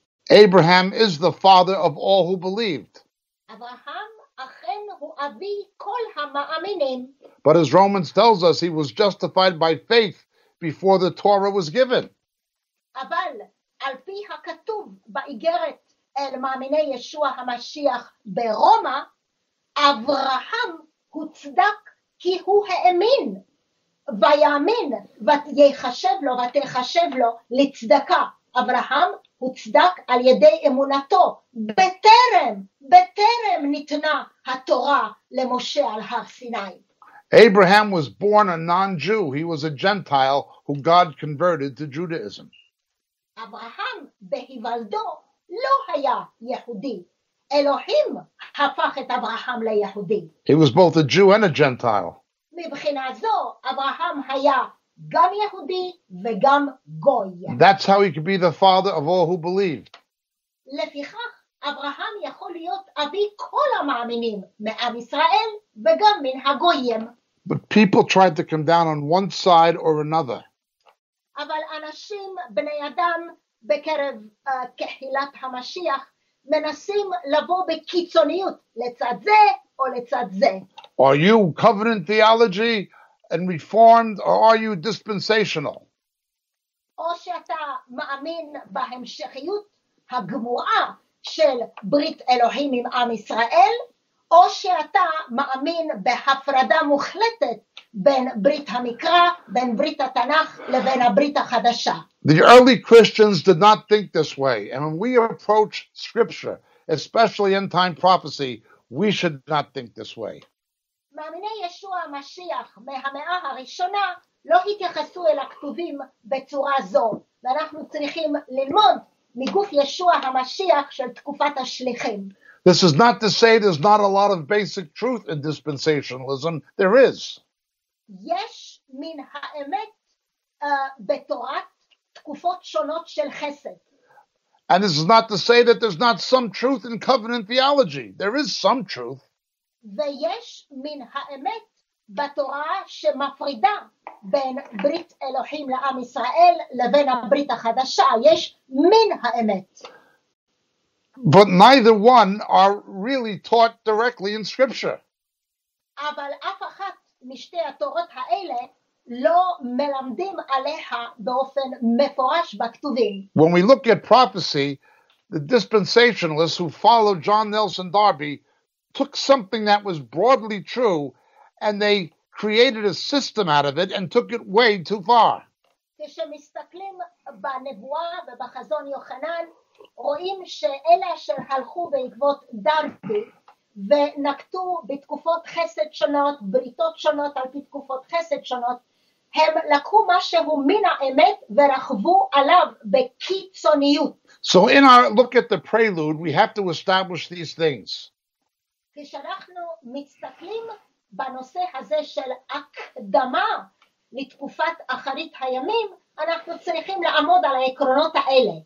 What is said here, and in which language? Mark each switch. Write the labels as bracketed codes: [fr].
[en] Abraham is the father of all who believed. [he] אברהם אכן הוא אבי כל המאמינים. [en] But as Romans tells us, he was justified by faith before the Torah was given. [he] אבל על פי הכתוב באיגרת אל מאמיני ישוע המשיח ברומא, אברהם הוצדק כי הוא האמין. ויאמין ויחשב לו ותחשב לו לצדקה. אברהם הוצדק על ידי אמונתו בטרם ניתנה התורה למשה על הר סיני. [en] Abraham was born a non-Jew. He was a Gentile who God converted to Judaism. [he] Abraham בהיוולדו לא היה יהודי. Elohim הפך את אברהם ליהודי. [en] He was both a Jew and a Gentile. [he] מבחינה זו, אברהם היה גם יהודי וגם גוי. [en] That's how he could be the father of all who believe. [he] לפיכך, אברהם יכול להיות אבי כל המאמינים מעם ישראל וגם מן הגויים. [en] But people tried to come down on one side or another. [he] אבל אנשים בני אדם בקרב קהילת המשיח מנסים לבוא בקיצוניות לצד זה או לצד זה. [en] Are you covenant theology and reformed, or are you dispensational? [he] או שאתה מאמין בהמשכיות הגמועה של ברית אלוהים עם עם ישראל, או שאתה מאמין בהפרדה מוחלטת בין ברית המקרא, בין ברית התנך לבין הברית החדשה. [en] The early Christians did not think this way, and when we approach scripture, especially end time prophecy, we should not think this way. [he] מאמיני ישוע המשיח מהמאה הראשונה לא התייחסו אל הכתובים בצורה זו, ואנחנו צריכים ללמוד מגוף ישוע המשיח של תקופת השליחים. [en] This is not to say there's not a lot of basic truth in dispensationalism. There is. [he] יש מן האמת בתורת תקופות שונות של חסד. [en] And this is not to say that there's not some truth in covenant theology. There is some truth. [he] ויש מן האמת בתורה שמפרידה בין ברית אלוהים לעם ישראל לבין הברית החדשה. יש מן האמת. [en] But neither one are really taught directly in scripture. [he] אבל אף אחת משתי התורות האלה לא מלמדים עליה באופן מפורש בכתובים. [en] When we look at prophecy, the dispensationalists who followed John Nelson Darby took something that was broadly true and they created a system out of it and took it way too far. [he] כשמסתכלים בנבואה ובחזון יוחנן, רואים שאלה אשר הלכו בעקבות דרכי ונקטו בתקופות חסד שונות, בריתות שונות על פי תקופות חסד שונות, הם לקחו משהו מן האמת ורחבו עליו בקיצוניות. [en] So in our look at the prelude, we have to establish these things. [he] כשאנחנו מסתכלים בנושא הזה של הקדמה לתקופת אחרית הימים, אנחנו צריכים לעמוד על העקרונות האלה.